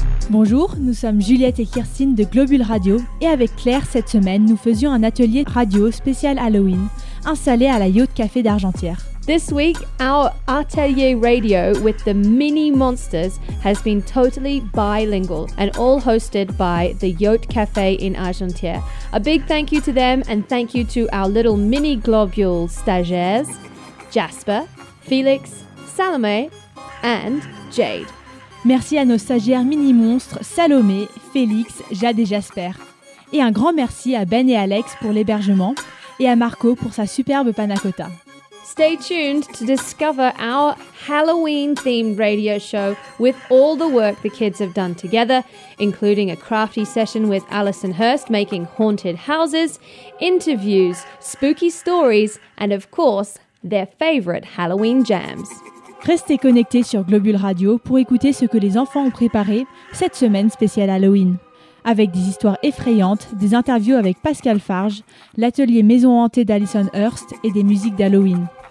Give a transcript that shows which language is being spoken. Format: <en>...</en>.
<fr>Bonjour, nous sommes Juliette et Kirsten de Globule Radio et avec Claire, cette semaine, nous faisions un atelier radio spécial Halloween installé à la Yacht Café d'Argentière.</fr> <en>This week, our atelier radio with the mini monsters has been totally bilingual and all hosted by the Yacht Café in Argentière. A big thank you to them and thank you to our little mini globule stagiaires, Jasper, Felix, Salomé and Jade.</en> <fr>Merci à nos stagiaires mini-monstres Salomé, Félix, Jade et Jasper. Et un grand merci à Ben et Alex pour l'hébergement et à Marco pour sa superbe panna cotta.</fr> <en>Stay tuned to discover our Halloween-themed radio show with all the work the kids have done together, including a crafty session with Alison Hurst making haunted houses, interviews, spooky stories and of course, their favorite Halloween jams.</en> <fr>Restez connectés sur Globule Radio pour écouter ce que les enfants ont préparé cette semaine spéciale Halloween. Avec des histoires effrayantes, des interviews avec Pascal Farge, l'atelier Maison Hantée d'Alison Hurst et des musiques d'Halloween.</fr>